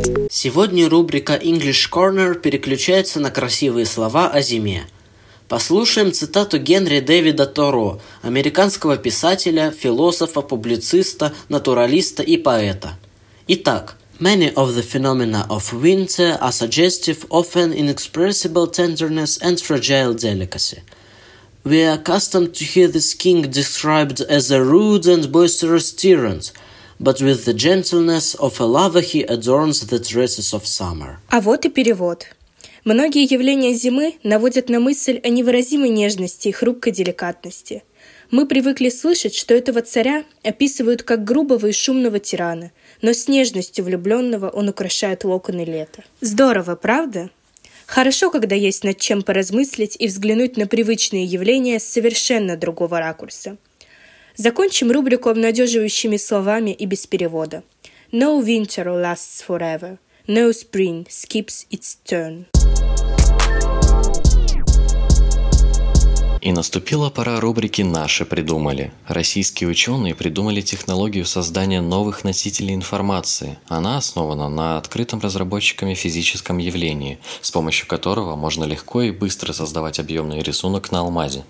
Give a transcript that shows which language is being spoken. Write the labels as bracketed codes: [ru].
[ru] Сегодня рубрика English Corner переключается на красивые слова о зиме. Послушаем цитату Генри Дэвида Торо, американского писателя, философа, публициста, натуралиста и поэта. [en] Итак, many of the phenomena of winter are suggestive of an inexpressible tenderness and fragile delicacy. We are accustomed to hear this king described as a rude and boisterous tyrant, but with the gentleness of a lover he adorns the tresses of summer. [ru] А вот и перевод. Многие явления зимы наводят на мысль о невыразимой нежности и хрупкой деликатности. Мы привыкли слышать, что этого царя описывают как грубого и шумного тирана, но с нежностью влюбленного он украшает локоны лета. Здорово, правда? Хорошо, когда есть над чем поразмыслить и взглянуть на привычные явления с совершенно другого ракурса. Закончим рубрику обнадеживающими словами и без перевода. [en] No winter lasts forever. No spring skips its turn. [ru] И наступила пора рубрики «Наши придумали». Российские ученые придумали технологию создания новых носителей информации. Она основана на открытом разработчиками физическом явлении, с помощью которого можно легко и быстро создавать объемный рисунок на алмазе.